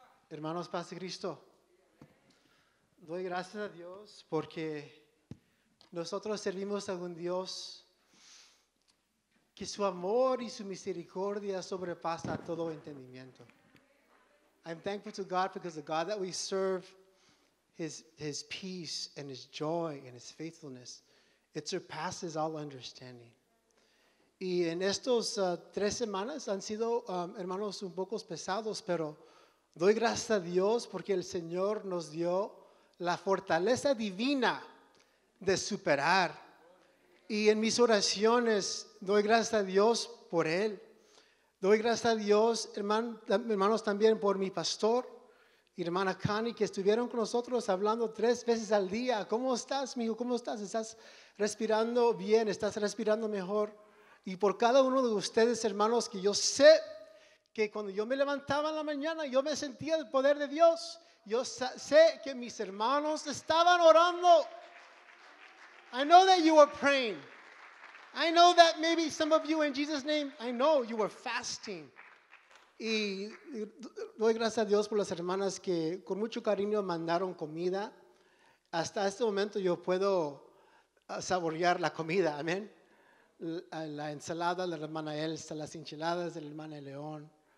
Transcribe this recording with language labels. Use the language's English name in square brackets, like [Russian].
[Spanish] Hermanos, paz de Cristo, doy gracias a Dios porque nosotros servimos a un Dios que su amor y su misericordia sobrepasa todo entendimiento. [English] I'm thankful to God because the God that we serve, his peace and his joy and his faithfulness, it surpasses all understanding. [Spanish] Y en estos tres semanas han sido, hermanos, un poco pesados, pero doy gracias a Dios porque el Señor nos dio la fortaleza divina de superar. Y en mis oraciones doy gracias a Dios por él. Doy gracias a Dios, hermanos, también por mi pastor y hermana Connie, que estuvieron con nosotros hablando tres veces al día. ¿Cómo estás, mijo? ¿Cómo estás? ¿Estás respirando bien? ¿Estás respirando mejor? Y por cada uno de ustedes, hermanos, que yo sé que cuando yo me levantaba en la mañana, yo me sentía el poder de Dios. Yo sé que mis hermanos estaban orando. [English] I know that you were praying. I know that maybe some of you, in Jesus' name, I know you were fasting. [Spanish] Y doy gracias a Dios por las hermanas que con mucho cariño mandaron comida. Hasta este momento yo puedo saborear la comida, amén. La ensalada de la hermana Elsa, las enchiladas de la hermana León.